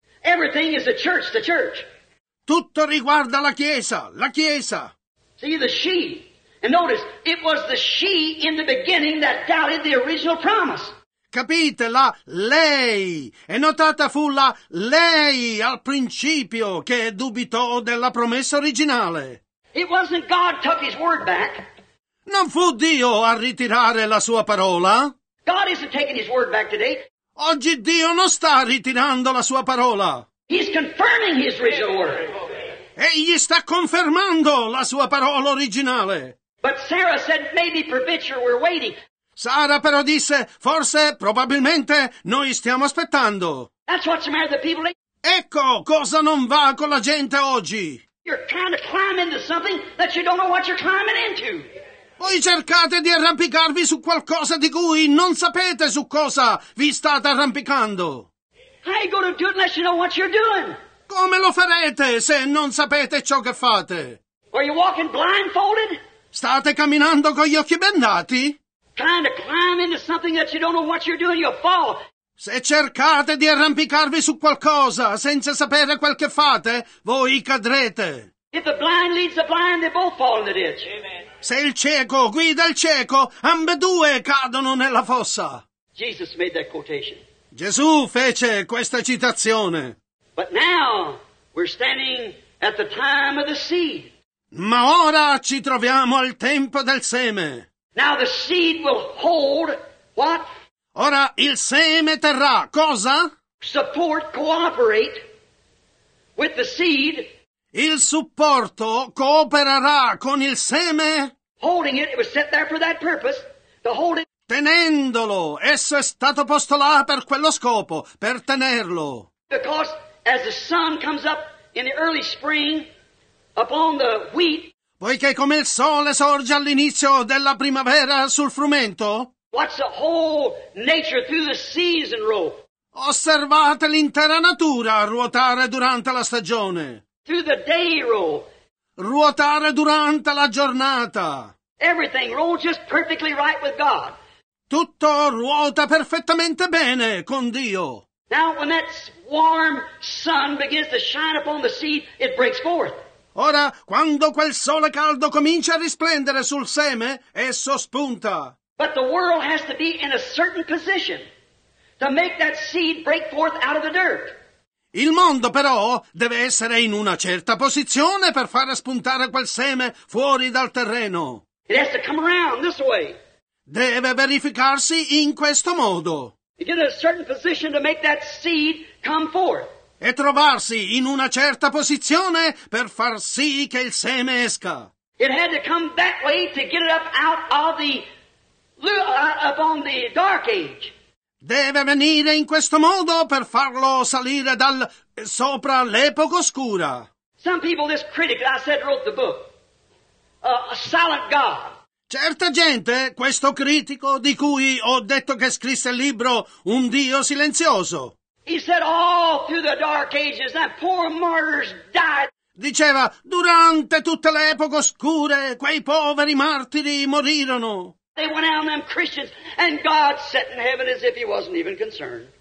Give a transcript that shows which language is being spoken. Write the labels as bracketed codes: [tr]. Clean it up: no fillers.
[en] Everything is the church, [it] tutto riguarda la Chiesa, la Chiesa. [en] See the she, and notice it was the she in the beginning that doubted the original promise. [it] Capite, la lei, e notata fu la lei al principio che dubitò della promessa originale. [en] It wasn't God took his word back. [it] Non fu Dio a ritirare la sua parola. [en] God isn't taking his word back today. [it] Oggi Dio non sta ritirando la sua parola. [en] He's confirming his original word. [it] Egli sta confermando la sua parola originale. [en] But Sarah said, maybe perpetually we're waiting. [it] Sara però disse, forse, probabilmente, noi stiamo aspettando. [en] That's what's the matter with the people. [it] Ecco cosa non va con la gente oggi. [en] You're trying to climb into something that you don't know what you're climbing into. [it] Voi cercate di arrampicarvi su qualcosa di cui non sapete su cosa vi state arrampicando. [en] How are you going to do it unless you know what you're doing? [it] Come lo farete se non sapete ciò che fate? [en] Are you walking blindfolded? [it] State camminando con gli occhi bendati? [en] Trying to climb into something that you don't know what you're doing, you'll fall. [it] Se cercate di arrampicarvi su qualcosa senza sapere quel che fate, voi cadrete. [en] If the blind leads the blind, they both fall in the ditch. Amen. [it] Se il cieco guida il cieco, ambedue cadono nella fossa. [en] Jesus made that quotation. [it] Gesù fece questa citazione. [en] But now we're standing at the time of the seed. [it] Ma ora ci troviamo al tempo del seme. [en] Now the seed will hold what? [it] Ora il seme terrà cosa? [en] Support, cooperate with the seed. [it] Il supporto coopererà con il seme. [en] Holding it, it was set there for that purpose. To hold it. [it] Tenendolo, esso è stato posto là per quello scopo, per tenerlo. [en] Because as the sun comes up in the early spring upon the wheat. [it] Poiché come il sole sorge all'inizio della primavera sul frumento, [en] what's the whole nature through the season roll? [it] Osservate l'intera natura ruotare durante la stagione. [en] Through the day roll. [it] Ruotare durante la giornata. [en] Everything rolls just perfectly right with God. [it] Tutto ruota perfettamente bene con Dio. [en] Now when that warm sun begins to shine upon the seed, it breaks forth. [it] Ora, quando quel sole caldo comincia a risplendere sul seme, esso spunta. [en] But the world has to be in a certain position to make that seed break forth out of the dirt. [it] Il mondo, però, deve essere in una certa posizione per far spuntare quel seme fuori dal terreno. [en] It has to come around this way. [it] Deve verificarsi in questo modo. [en] Get in a certain position to make that seed come forth. [it] E trovarsi in una certa posizione per far sì che il seme esca. [en] It had to come that way to get it up out of the upon the dark age. [it] Deve venire in questo modo per farlo salire dal sopra l'epoca oscura. [en] Some people, this critic that I said wrote the book, a silent God. [it] Certa gente, questo critico di cui ho detto che scrisse il libro Un Dio Silenzioso. [en] He said all through the dark ages that poor martyrs died. [it] Diceva, durante tutte le epoche oscure, quei poveri martiri morirono. [en] They went out on them Christians, and God sat in heaven as if he wasn't even concerned.